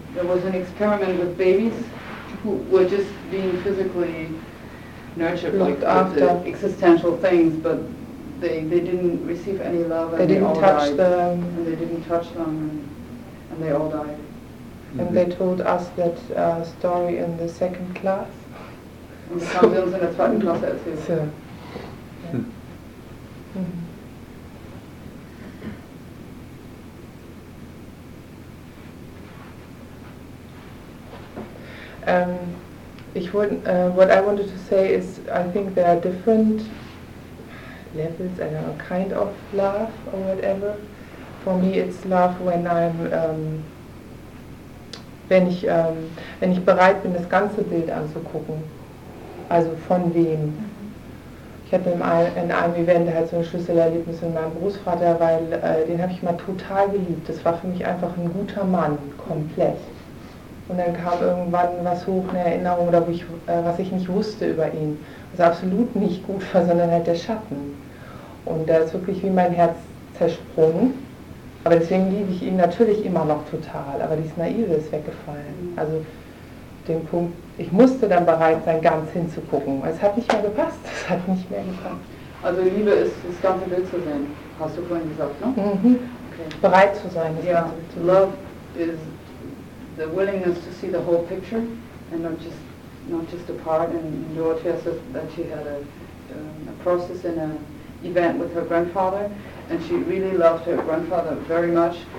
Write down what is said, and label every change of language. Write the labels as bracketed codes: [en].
[en] There was an experiment with babies who were just being physically nurtured, looked after, existential things, but they didn't receive any love, and they didn't all touch died. Them. And they didn't touch them, and they all died. Mm-hmm. And they told us that story in the second class. [de] Und das haben sie uns in der zweiten Klasse erzählt. So. Yeah. Hmm. [en] What I wanted to say is, I think there are different levels, I don't know, kind of love or whatever. For me, it's love when I'm [de] wenn ich bereit bin, das ganze Bild anzugucken. Also von wem. Ich hatte in einem Event halt so ein Schlüsselerlebnis mit meinem Großvater, weil den habe ich mal total geliebt. Das war für mich einfach ein guter Mann, komplett. Und dann kam irgendwann was hoch, eine Erinnerung, oder wo ich, was ich nicht wusste über ihn. Was absolut nicht gut war, sondern halt der Schatten. Und da ist wirklich wie mein Herz zersprungen. Aber deswegen liebe ich ihn natürlich immer noch total. Aber dieses Naive ist weggefallen. Also den Punkt, ich musste dann bereit sein, ganz hinzugucken. Es hat nicht mehr gepasst. Es hat nicht mehr gepasst. Also Liebe ist, das ganze Bild zu sehen. Hast du vorhin gesagt, ne? Mhm. Okay. Bereit zu sein. Ja, yeah. [en] Love is the willingness to see the whole picture and not just a part. And Dorothea says that she had a process in an event with her grandfather and she really loved her grandfather very much.